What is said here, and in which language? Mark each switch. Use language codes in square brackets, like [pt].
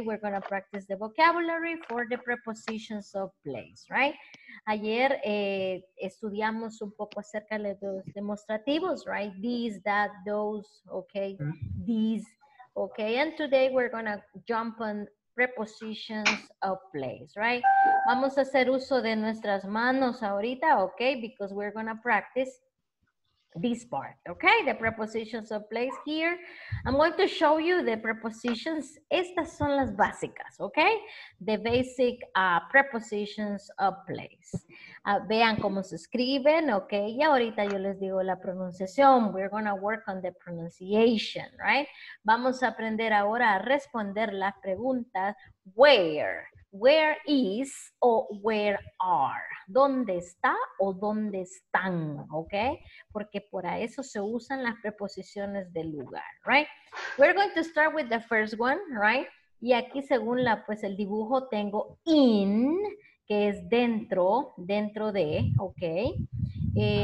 [en] We're going to practice the vocabulary for the prepositions of place, right? [es] Ayer estudiamos un poco acerca de los demostrativos, right? [en] These, that, those, okay? These, okay? And today we're going to jump on prepositions of place, right? [es] Vamos a hacer uso de nuestras manos ahorita, okay? [en] Because we're going to practice this part, okay? The prepositions of place here. I'm going to show you the prepositions. [es] Estas son las básicas, okay? [en] The basic prepositions of place. [es] Vean cómo se escriben, okay? Y ahorita yo les digo la pronunciación. [en] We're going to work on the pronunciation, right? [es] Vamos a aprender ahora a responder las preguntas where. [en] Where is [es] o [en] where are? [es] ¿Dónde está o dónde están? ¿Ok? Porque para eso se usan las preposiciones de lugar, right? [en] We're going to start with the first one, right? [es] Y aquí según la, pues el dibujo tengo in, que es dentro, dentro de, ¿ok?